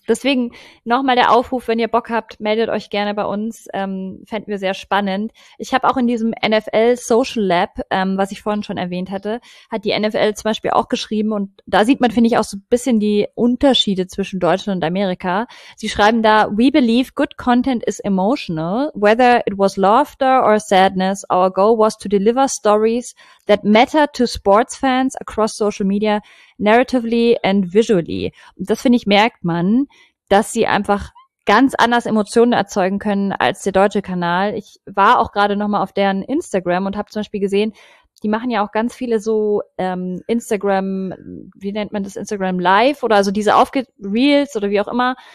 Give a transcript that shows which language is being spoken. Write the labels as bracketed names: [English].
[German] Deswegen nochmal der Aufruf, wenn ihr Bock habt, meldet euch gerne bei uns. Fänden wir sehr spannend. Ich habe auch in diesem NFL Social Lab, was ich vorhin schon erwähnt hatte, hat die NFL zum Beispiel auch geschrieben und da sieht man, finde ich, auch so ein bisschen die Unterschiede zwischen Deutschland und Amerika. Sie schreiben da: [English] We believe good content is emotional, whether it was laughter or sadness, our goal was to deliver stories that matter to sports fans across social media, narratively and visually. [German] Und das, finde ich, merkt man, dass sie einfach ganz anders Emotionen erzeugen können als der deutsche Kanal. Ich war auch gerade nochmal auf deren Instagram und habe zum Beispiel gesehen, die machen ja auch ganz viele so Instagram, wie nennt man das, Instagram Live oder also diese Reels oder wie auch immer.